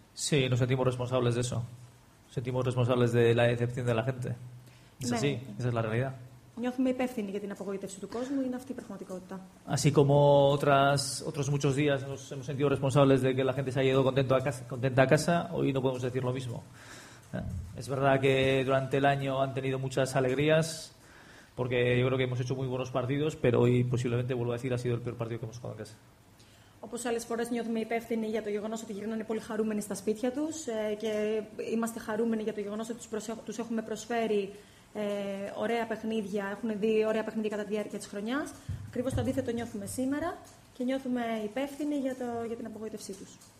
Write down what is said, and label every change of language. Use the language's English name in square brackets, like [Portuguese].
[Spanish] Sí, nos sentimos responsables de eso. Sentimos responsables de la decepción de la gente. Es así, esa es la realidad. [Greek] Νιώθουμε υπεύθυνοι για την απογοήτευση του κόσμου, είναι αυτή η πραγματικότητα. [Spanish] Así como otros muchos días nos hemos sentido responsables de que la gente se haya ido contenta a casa, hoy no podemos decir lo mismo. Es verdad que durante el año han tenido muchas alegrías, porque yo creo que hemos hecho muy buenos partidos, pero hoy posiblemente, vuelvo a decir, ha sido el peor partido que hemos jugado en casa. [Greek] Όπως άλλες φορές νιώθουμε υπεύθυνοι για το γεγονός ότι γυρνάνε πολύ χαρούμενοι στα σπίτια τους και είμαστε χαρούμενοι για το γεγονός ότι τους έχουμε προσφέρει ωραία παιχνίδια, έχουν δει ωραία παιχνίδια κατά τη διάρκεια της χρονιάς. Ακριβώς το αντίθετο νιώθουμε σήμερα και νιώθουμε υπεύθυνοι για την απογοήτευσή τους.